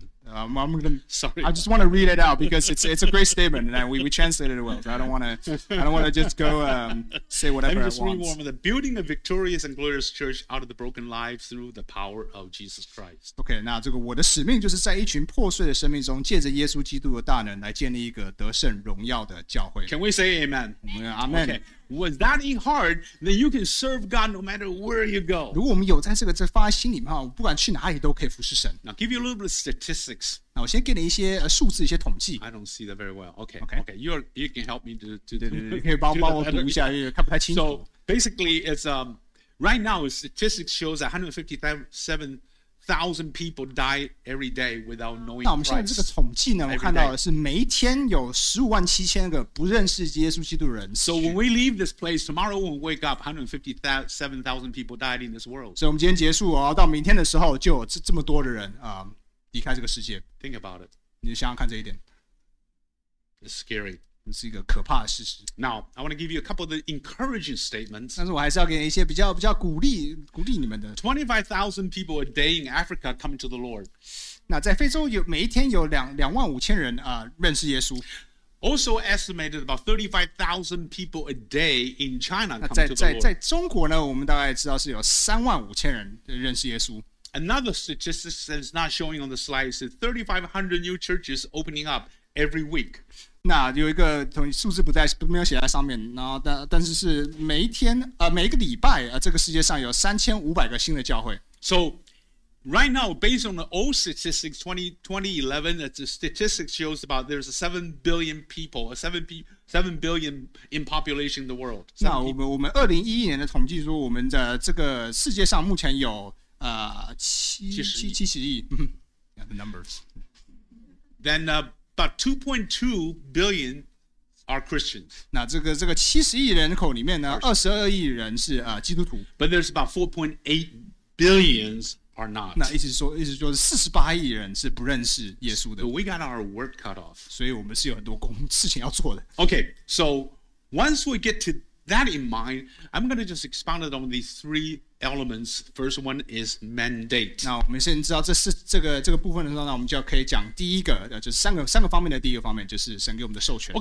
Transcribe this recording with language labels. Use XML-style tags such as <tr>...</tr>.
<en>I just want to read it out because it's a great statement and we translated it well. So I don't want to just go say whatever I want. Let me just rewarm the building a victorious and glorious church out of the broken life through the power of Jesus Christ.</en> <zh>Okay, 那这个我的使命就是在一群破碎的生命中，借着耶稣基督的大能来建立一个得胜荣耀的教会。</zh> <en>Can we say amen? Amen. Okay. With that in heart, then you can serve God no matter where you go.</en> <zh>如果我们有在这个放在心里面，不管去哪里都可以服侍神。</zh> <en>Now give you a little bit of statistics.</en> <zh>那我先给你一些数字，一些统计。</zh> <en>I don't see that very well. Okay. You can help me to</en> <zh>对对对，可以帮我读一下，因为看不太清楚。</zh> <en>So basically, it's right now, statistics shows 157,000 people die every day without knowing Christ.</en> <zh>那我们现在这个统计呢，我看到的是每一天有157,000个不认识耶稣基督的人。</zh> <en>So when we leave this place tomorrow, when we wake up, 157,000 people died in this world.</en> <zh>所以我们今天结束哦，到明天的时候就有这么多的人啊离开这个世界。</zh> <en>Think about it.</en> <zh>你想想看这一点。</zh> <en>It's scary.</en> <zh>是一个可怕的事实。</zh> <en>Now, I want to give you a couple of the encouraging statements.</en> <zh>但是我还是要给你一些比较鼓励你们的。</zh> <en>25,000 people a day in Africa come to the Lord.</en> <zh>那在非洲有每一天有25,000人啊认识耶稣。</zh> <en>Also estimated about 35,000 people a day in China come to the Lord.</en> <zh>在中国呢，我们大概知道是有35,000人认识耶稣。</zh> <en>Another statistic that is not showing on the slide is 3,500 new churches opening up every week.</en> <zh>那有一个数字没有写在上面，然后但是每一天每一个礼拜这个世界上有3,500个新的教会。</zh> <en>So right now, based on the old statistics, 2011, the statistics shows about there's a 7 billion people, a 7 billion in population in the world.</en> <zh>那我们2011年的统计说，我们的这个世界上目前有七十亿。</zh> <en>Yeah, the numbers. Then About 2.2 billion are Christians.</en> <zh>那这个70亿人口里面呢，22亿人是基督徒。</zh> <en>But there's about 4.8 billions are not.</en> <zh>那意思就是48亿人是不认识耶稣的。</zh> <en>So we got our work cut off.</en> <zh>所以我们是有很多事情要做的。</zh> <en>Okay, so once we get to that in mind, I'm going to just expound it on these three elements. First one is mandate.</en> <zh>那我们现在知道这个部分的时候，那我们就可以讲第一个，就是三个方面的第一个方面，就是神给我们的授权。</zh>